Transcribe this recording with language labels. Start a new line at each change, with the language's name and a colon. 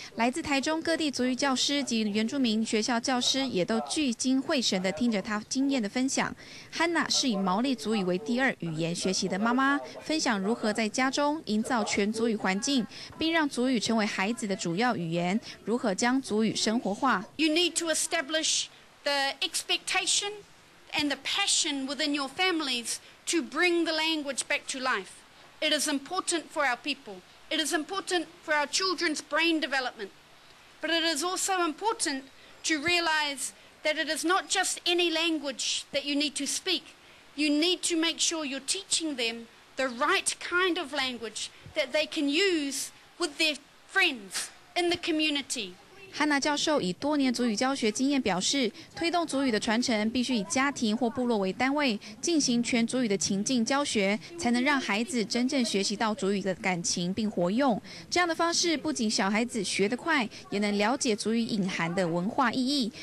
Chinese: 来自台中各地族语教师及原住民学校教师也都聚精会神地听着他经验的分享。 Hannah 是以毛利族语为第二语言学习的妈妈，分享如何在家中营造全族语环境，并让族语成为孩子的主要语言，如何将族语生活化。
English: You need to establishThe expectation and the passion within your families to bring the language back to life. It is important for our people. It is important for our children's brain development. But it is also important to realize that it is not just any language that you need to speak. You need to make sure you're teaching them the right kind of language that they can use with their friends in the community.
Chinese: 汉娜教授以多年族语教学经验表示，推动族语的传承必须以家庭或部落为单位进行全族语的情境教学，才能让孩子真正学习到族语的感情并活用。这样的方式不仅小孩子学得快，也能了解族语隐含的文化意义。